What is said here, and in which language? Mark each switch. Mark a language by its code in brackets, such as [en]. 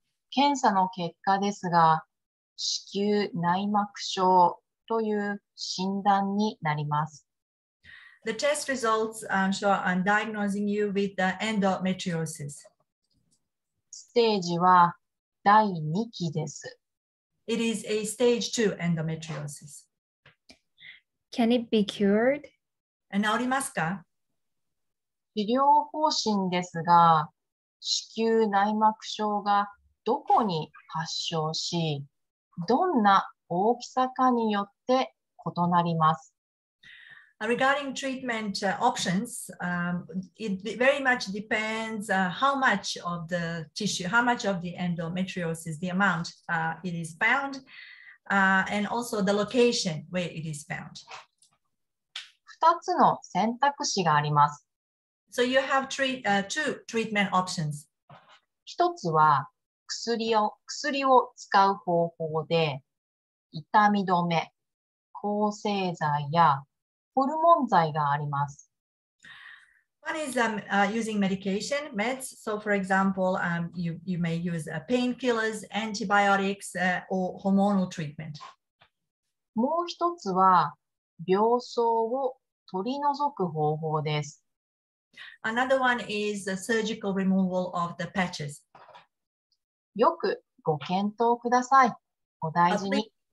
[ja] 検査の結果ですが、子宮内膜症という診断になります。 [en] The test results show I'm diagnosing you with the endometriosis. [ja] ステージは第2期です。 [en] It is a stage 2 endometriosis. Can it be cured? [ja] なりますか? 治療方針ですが、子宮内膜症がどこに発症し、どんな大きさかによって異なります。 [en] Regarding treatment options, it very much depends how much of the tissue, how much of the endometriosis, the amount it is found, and also the location where it is found. [ja] 2つの選択肢があります。 [en] So you have two treatment options. [ja] 一つは薬を使う方法で、痛み止め、抗生剤やホルモン剤があります。 [en] One is using medication, meds. So for example, you may use painkillers, antibiotics, or hormonal treatment. [ja] もう一つは病巣を取り除く方法です。 [en] Another one is the surgical removal of the patches. [ja] よくご検討ください。お大事に。